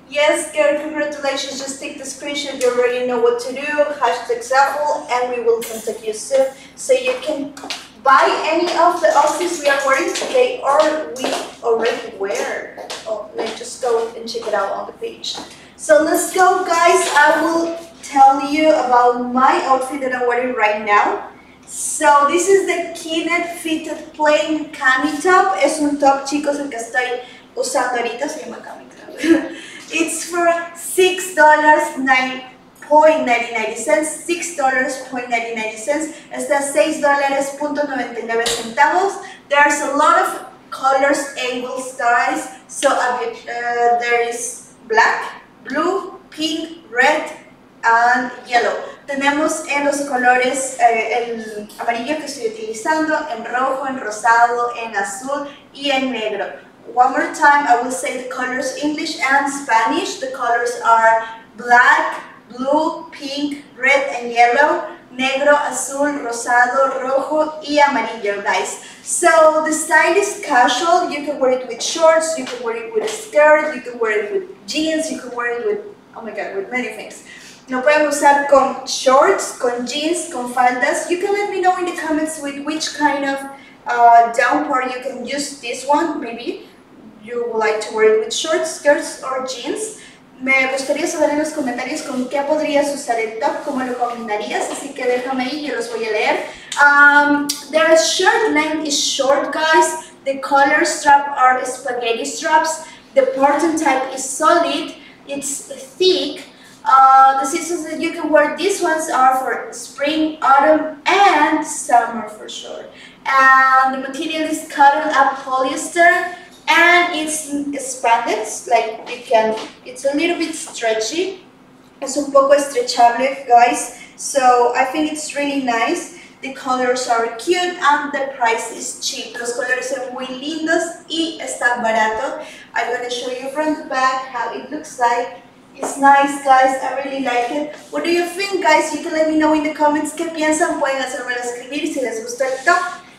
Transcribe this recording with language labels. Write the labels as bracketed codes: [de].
[en] Yes, girl, congratulations, just take the screenshot, you already know what to do, hashtag ZAFUL, and we will contact you soon, so you can buy any of the outfits we are wearing today or we already wear. Oh, let's just go and check it out on the page. So let's go, guys. I will tell you about my outfit that I'm wearing right now. So this is the Kinet Fitted Plain Cami Top. [es] Es un top, chicos, el que estoy usando ahorita se llama Cami Top. [en] It's for $6.99, $6.99, [es] está $6.99. [en] There's a lot of colors, angle styles. So there is black, blue, pink, red, and yellow. [es] Tenemos en los colores el amarillo que estoy utilizando, en rojo, en rosado, en azul y en negro. [en] One more time, I will say the colors English and Spanish. The colors are black, blue, pink, red and yellow, [es] negro, azul, rosado, rojo y amarillo, [en] guys. So the style is casual. You can wear it with shorts, you can wear it with a skirt, you can wear it with jeans, you can wear it with, oh my god, with many things. [es] Lo pueden usar con shorts, con jeans, con faldas. [en] You can let me know in the comments with which kind of downpour you can use this one. Maybe you would like to wear it with shorts, skirts or jeans. [es] Me gustaría saber en los comentarios con qué podrías usar el top, cómo lo combinarías, así que déjame ahí, yo los voy a leer. [en] Their shirt length is short, guys. The color strap are spaghetti straps. The button type is solid. It's thick. The seasons that you can wear these ones are for spring, autumn, and summer for sure. And the material is cotton and polyester. And it's spandex, like you can, it's a little bit stretchy. [es] Es un poco estrechable, [en] guys. So I think it's really nice. The colors are cute and the price is cheap. [es] Los colores son muy lindos y están barato. [en] I'm going to show you from the back how it looks like. It's nice, guys. I really like it. What do you think, guys? You can let me know in the comments. [es] ¿Qué piensan? Pueden hacerme escribir si les gustó el top.